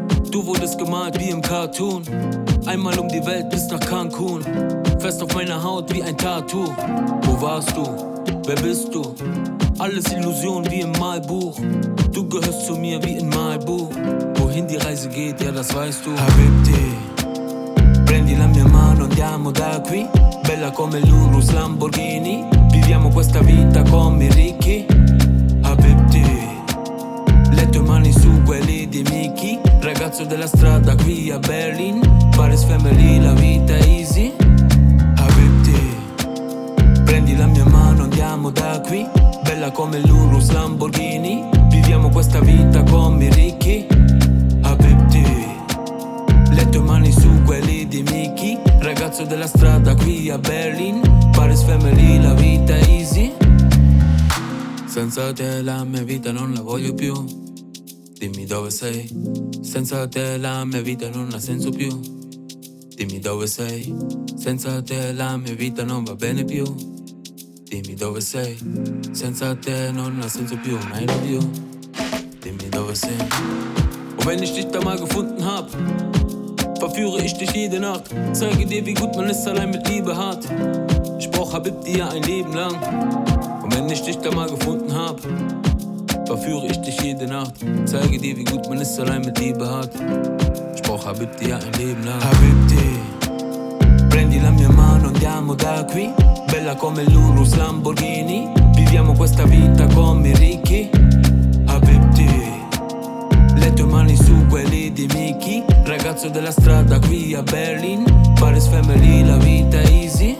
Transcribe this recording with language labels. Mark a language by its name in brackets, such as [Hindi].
[German] Du wurdest gemalt wie im Cartoon. Einmal um die Welt bis nach Cancun. Fest auf meiner Haut wie ein Tattoo. Wo warst du? Wer bist du? Alles Illusion wie im Malbuch. Du gehörst zu mir wie in Malibu. Wohin die Reise geht, ja das weißt du. [Italian] Habibti, prendi la mia mano, andiamo da qui. Bella come Lulus Lamborghini. Viviamo questa vita come ricchi. Habibti, le tue mani su quelli di Mickey. Ragazzo della strada qui a Berlin. Paris family, la vita easy. Habibti, prendi la mia mano, andiamo da qui. Bella come Lulus Lamborghini. Viviamo questa vita come ricchi. Habibti, le tue mani su quelli di Mickey. Ragazzo della strada qui a Berlin. Paris family, la vita easy. Senza te la mia vita non la voglio più. Dimmi dove sei. Senza te la mia vita non ha senso più. Dimmi dove sei. Senza te la mia vita non va bene più. Dimmi dove sei. Senza te non ha senso più. Mai non più. Dimmi dove sei. [German] Und wenn ich dich da mal gefunden hab, verführe ich dich jede Nacht. Zeige dir, wie gut man es allein mit Liebe hat. Ich brauch Habibti ja ein Leben lang. Und wenn ich dich da mal gefunden hab, verführe ich dich jede Nacht. Zeige dir, wie gut man es allein mit Liebe hat. Ich brauch Habibti ja ein Leben lang. [Italian] Habibti, prendi la mia mano, andiamo da qui. Bella come Lulus Lamborghini. Viviamo questa vita come ricchi. Habibti, le tue mani su quelli di Mickey. Ragazzo della strada qui a Berlin. Paris family, la vita easy.